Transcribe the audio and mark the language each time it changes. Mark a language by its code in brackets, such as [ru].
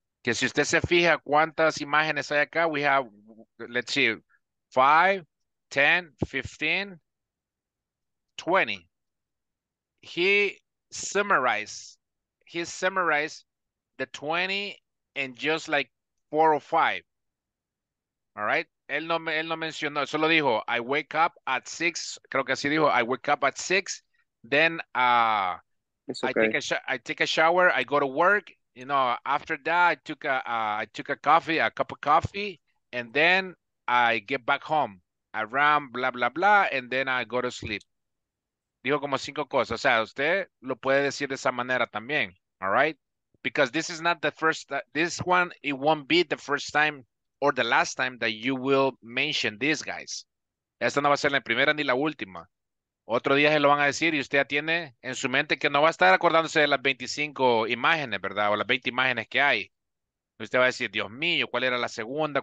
[es] Que si usted se fija cuántas imágenes hay acá, [en] we have, let's see, [es] 5, 10, 15, 20. [en] He summarized he summarized the 20 in just like 4 or 5. All right. [es] Él no mencionó, solo dijo, [en] I wake up at 6. [es] Creo que así dijo, [en] I wake up at 6. Then I take a shower, I go to work. You know, after that, I took a cup of coffee, and then I get back home. I run, blah, blah, blah, and then I go to sleep. [es] Dijo como 5 cosas. O sea, usted lo puede decir de esa manera también. [en] All right? Because this is not the first, this one, it won't be the first time or the last time that you will mention these guys. [es] Esta no va a ser la primera ni la última. Otro día se lo van a decir y usted ya tiene en su mente que no va a estar acordándose de las 25 imágenes, ¿verdad? O las 20 imágenes que hay. Usted va a decir, Dios mío, ¿cuál era la segunda?